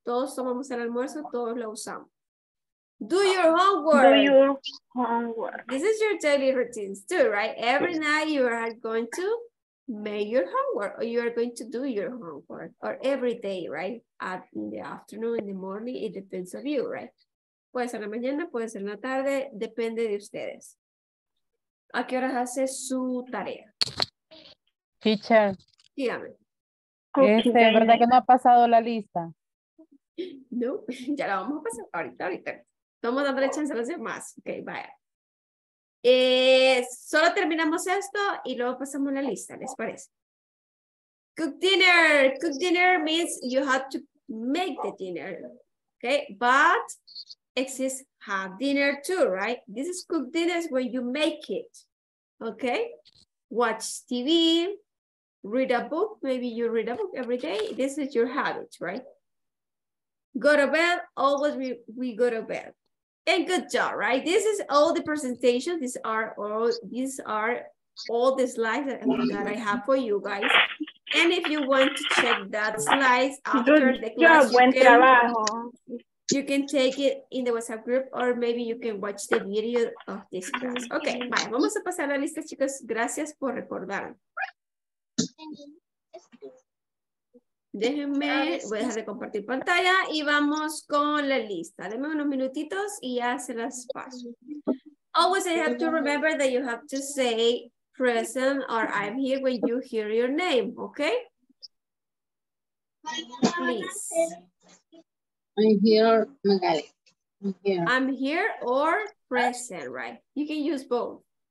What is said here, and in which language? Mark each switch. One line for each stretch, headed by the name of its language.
Spanish: Todos tomamos el almuerzo, todos lo usamos.
English: Do your homework. Do your homework. This is your daily routines too, right? Every night you are going to make your homework, or you are going to do your homework, or every day, right? In the afternoon, in the morning, it depends on you, right?
Spanish: Puede ser la mañana, puede ser la tarde, depende de ustedes. ¿A qué horas hace su tarea?
English: Teacher.
Spanish: Dígame. ¿Verdad que no ha pasado la lista? No, ya la vamos a pasar ahorita. Estamos dándole chance a los demás. Ok, vaya. Solo terminamos esto y luego pasamos la lista, ¿les parece?
English: Cook dinner. Cook dinner means you have to make the dinner. Ok, but exists have dinner too, right? This is cook dinner when you make it. Ok, watch TV. Read a book, maybe you read a book every day. This is your habit, right? Go to bed, always we go to bed. And good job, right? This is all the presentation. These are all the slides that I have for you guys. And if you want to check that slides after good the class,
Spanish: job, buen trabajo.
English: You can take it in the WhatsApp group or maybe you can watch the video of this class.
Spanish: Okay, vale, vamos a pasar a la lista, chicos. Gracias por recordar. Déjenme, voy a dejar de compartir pantalla y vamos con la lista. Denme unos minutitos y ya se las paso.
English: Always I have to remember that you have to say present or I'm here when you hear your name, okay? Please. I'm here, Magali. I'm here. I'm here or present, right? You can use both.